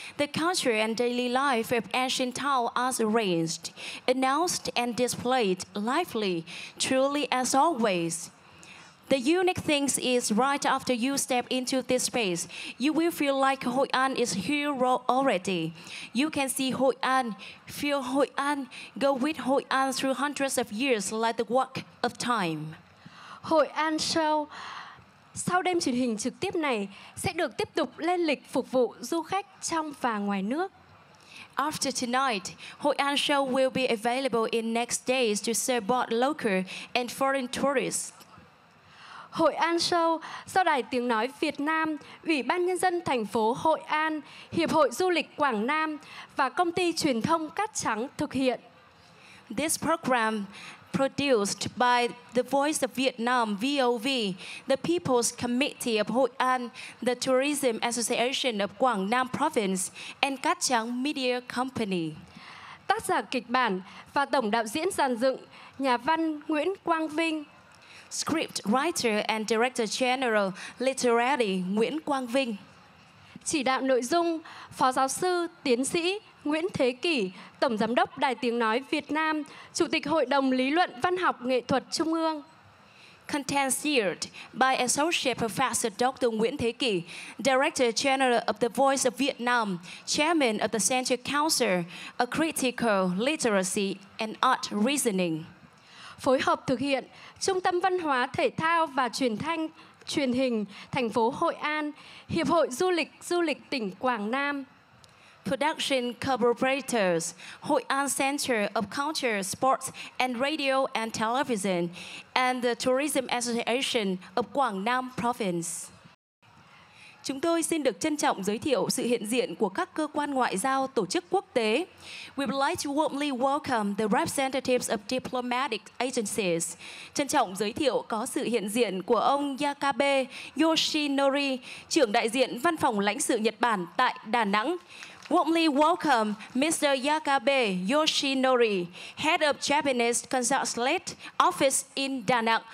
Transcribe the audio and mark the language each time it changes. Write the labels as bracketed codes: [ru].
[en] The culture and daily life of ancient town are arranged, announced and displayed lively, truly as always. The unique thing is right after you step into this space, you will feel like Hội An is here already. You can see Hội An, feel Hội An, go with Hội An through hundreds of years like the walk of time. [vi] Hội An Show sau đêm truyền hình trực tiếp này sẽ được tiếp tục lên lịch phục vụ du khách trong và ngoài nước. [en] After tonight, Hội An Show will be available in next days to serve both local and foreign tourists. [vi] Hội An Show do Đài Tiếng Nói Việt Nam, Ủy ban Nhân dân thành phố Hội An, Hiệp hội Du lịch Quảng Nam và Công ty Truyền thông Cát Trắng thực hiện. [en] This program produced by the Voice of Vietnam, VOV, the People's Committee of Hội An, the Tourism Association of Quảng Nam Province, and Cát Trắng Media Company. [vi] Tác giả kịch bản và tổng đạo diễn dàn dựng, nhà văn Nguyễn Quang Vinh. [en] Script writer and director general, literary Nguyễn Quang Vinh. [vi] Chỉ đạo nội dung, phó giáo sư, tiến sĩ Nguyễn Thế Kỷ, Tổng Giám đốc Đài Tiếng Nói Việt Nam, Chủ tịch Hội đồng Lý luận Văn học Nghệ thuật Trung ương. [en] Content steered by Associate Professor Dr. Nguyễn Thế Kỷ, Director General of the Voice of Vietnam, Chairman of the Central Council of Critical Literacy and Art Reasoning. [vi] Phối hợp thực hiện Trung tâm Văn hóa Thể thao và Truyền thanh Truyền hình thành phố Hội An, Hiệp hội Du lịch tỉnh Quảng Nam. [en] Production collaborators, Hội An Center of Culture, Sports and Radio and Television, and the Tourism Association of Quảng Nam Province. [vi] Chúng tôi xin được trân trọng giới thiệu sự hiện diện của các cơ quan ngoại giao tổ chức quốc tế. [en] We would like to warmly welcome the representatives of diplomatic agencies. [vi] Trân trọng giới thiệu có sự hiện diện của ông Yakabe Yoshinori, trưởng đại diện văn phòng lãnh sự Nhật Bản tại Đà Nẵng. [en] Warmly welcome Mr. Yakabe Yoshinori, Head of Japanese Consulate Office in Da Nang.